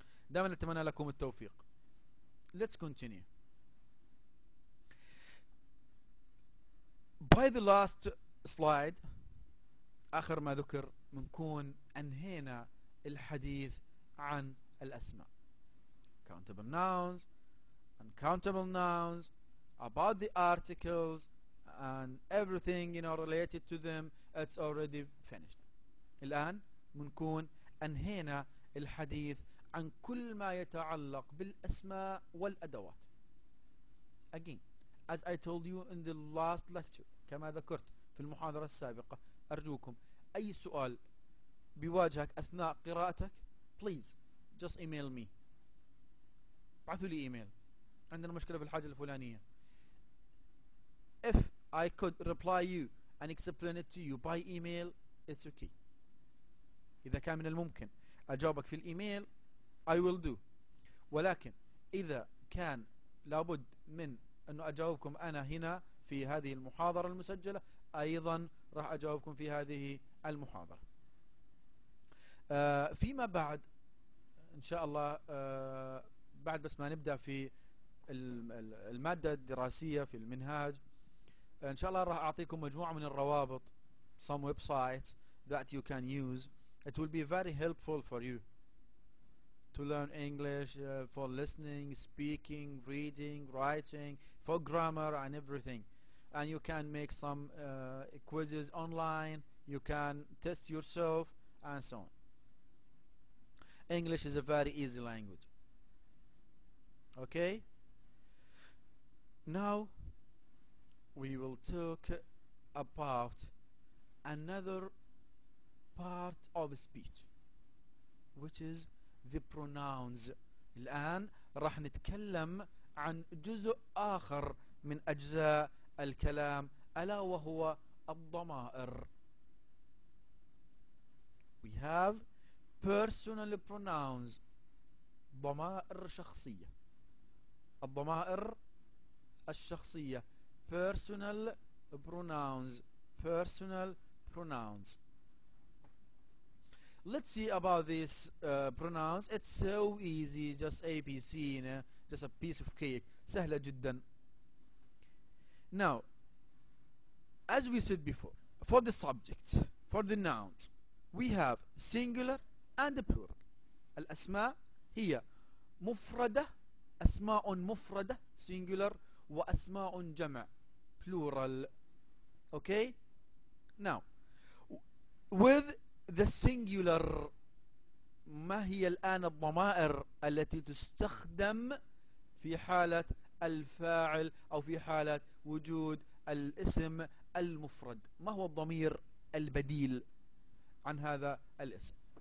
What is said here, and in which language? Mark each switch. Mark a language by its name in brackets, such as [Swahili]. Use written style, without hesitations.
[Arabic] دائما أتمنى لكم التوفيق. [English] Let's continue. By the last slide، [Arabic] آخر ما ذكر، منكون أنهينا الحديث عن الأسماء. [English] Countable nouns, uncountable nouns, about the articles and everything you know related to them. It's already finished. [Arabic] الآن منكون أنهينا الحديث عن كل ما يتعلق بالأسماء والأدوات. [English] again. As I told you in the last lecture, [Arabic] كما ذكرت في المحاضرة السابقة، أرجوكم أي سؤال بيواجهك أثناء قراءتك، [English] please just email me. [Arabic] بعثوا لي إيميل. عندنا مشكلة في الحاجة الفلانية. [English] If I could reply you and explain it to you by email, it's okay. [Arabic] إذا كان من الممكن أجاوبك في الإيميل, [English] I will do. [Arabic] ولكن إذا كان لابد من أن أجاوبكم أنا هنا في هذه المحاضرة المسجلة, أيضا راح أجاوبكم في هذه المحاضرة. فيما بعد إن شاء الله, بعد بس ما نبدأ في المادة الدراسية في المنهاج, إن شاء الله راح أعطيكم مجموعة من الروابط, [English] some websites that you can use. It will be very helpful for you to learn English for listening, speaking, reading, writing, for grammar and everything. And you can make some quizzes online. You can test yourself and so on. English is a very easy language. Okay? Now we will talk about another part of speech, which is the pronouns. [Arabic] الآن راح نتكلم عن جزء آخر من أجزاء الكلام, ألا وهو الضمائر. [English] We have personal pronouns, [Arabic] ضمائر شخصية. الضمائر الشخصية, [English] personal pronouns, personal pronouns. Let's see about these pronouns. It's so easy, just ABC, you know, just a piece of cake. [Arabic] سهلة جدا. [English] Now, as we said before, for the subject, for the nouns, we have singular and plural. [Arabic] الأسماء هي مفردة, أسماء مفردة singular, وأسماء جمع plural. [English] Okay? Now, with the singular, [Arabic] ما هي الآن الضمائر التي تستخدم في حالة الفاعل أو في حالة وجود الاسم المفرد؟ ما هو الضمير البديل عن هذا الاسم؟